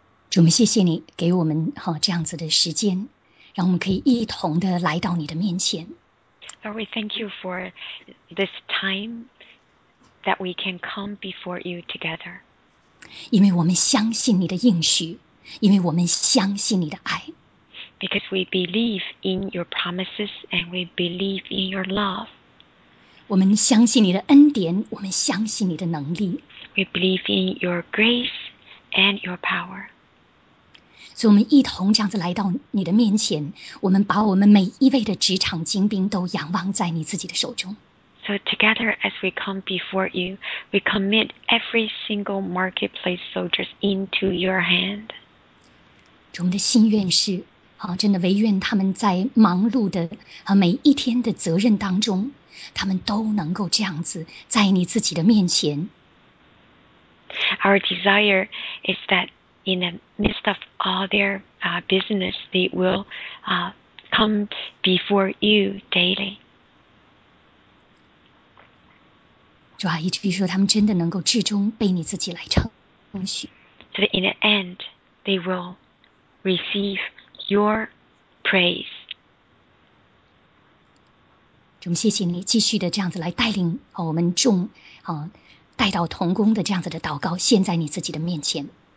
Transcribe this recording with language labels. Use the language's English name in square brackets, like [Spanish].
[Chinese] 主，我们谢谢你给我们这样子的时间，让我们可以一同的来到你的面前。 [English] Lord, we thank you for this time that we can come before you together. [Chinese] 因为我们相信你的应许，因为我们相信你的爱。 [English] Because we believe in your promises and we believe in your love. [Chinese] 我们相信你的恩典，我们相信你的能力。 [English] We believe in your grace and your power. [Chinese] 所以我们一同这样子来到你的面前，我们把我们每一位的职场精兵都仰望在你自己的手中。 [English] So together as we come before you, we commit every single marketplace soldiers into your hand. [Chinese] 我们的心愿是，真的唯愿他们在忙碌的每一天的责任当中，他们都能够这样子在你自己的面前。 [English] Our desire is that. In the midst of all their business, they will come before you daily. [Chinese] 主啊，以至于说他们真的能够至终被你自己来称许。 [English] So in the end, they will receive your praise. [Chinese] 主，谢谢你继续的这样子来带领我们众带到同工的这样子的祷告，献在你自己的面前。